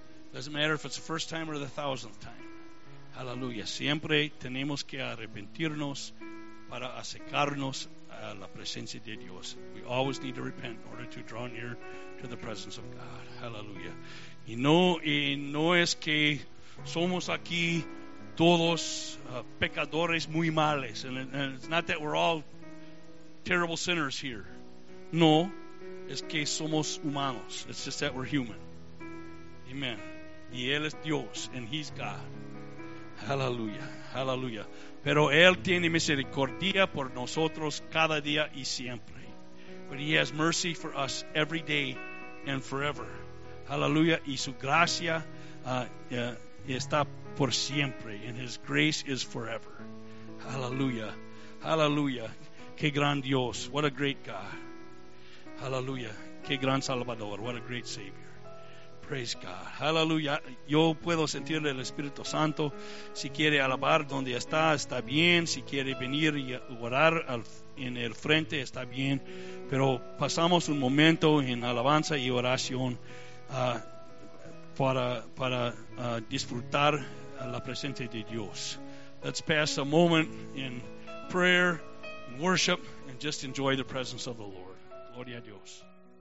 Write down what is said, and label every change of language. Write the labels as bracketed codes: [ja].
[en] Doesn't matter if it's the first time or the thousandth time. [es] Hallelujah. Siempre tenemos que arrepentirnos para acercarnos a la presencia de Dios. [en] We always need to repent in order to draw near to the presence of God. Hallelujah. [es] Y no es que somos aquí todos pecadores muy males. [en] And it's not that we're all terrible sinners here. [es] No, es que somos humanos. [en] It's just that we're human. [es] Amen. Y Él es Dios, [en] and He's God. [es] Hallelujah. Hallelujah. Pero Él tiene misericordia por nosotros cada día y siempre. [en] But He has mercy for us every day and forever. [es] Hallelujah. Y su gracia está por siempre. [en] And His grace is forever. Hallelujah. Hallelujah. [es] Qué gran Dios. [en] What a great God. Hallelujah. [es] Qué gran Salvador. [en] What a great Savior. Praise God. Hallelujah. [es] Yo puedo sentir el Espíritu Santo. Si quiere alabar donde está, está bien. Si quiere venir y orar en el frente, está bien. Pero pasamos un momento en alabanza y oración para disfrutar la presencia de Dios. [en] Let's pass a moment in prayer, worship, and just enjoy the presence of the Lord. [es] Gloria a Dios.